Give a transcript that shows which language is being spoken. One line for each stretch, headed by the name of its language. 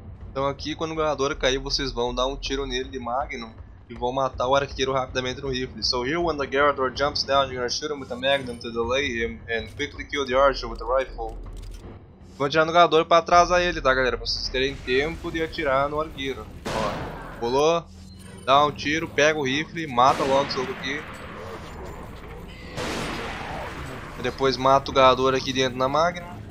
Portuguese: Então aqui, quando o ganhador cair, vocês vão dar um tiro nele de Magnum e vão matar o arqueiro rapidamente no rifle.
English: So here, when the Garador jumps down, you're gonna shoot him with the Magnum to delay him and quickly kill the archer with the rifle.
Portuguese: Vão atirar no ganhador pra atrasar ele, tá galera? Pra vocês terem tempo de atirar no arqueiro. Ó, pulou, dá um tiro, pega o rifle, mata logo esse outro aqui. Depois mata o ganhador aqui dentro na Magnum.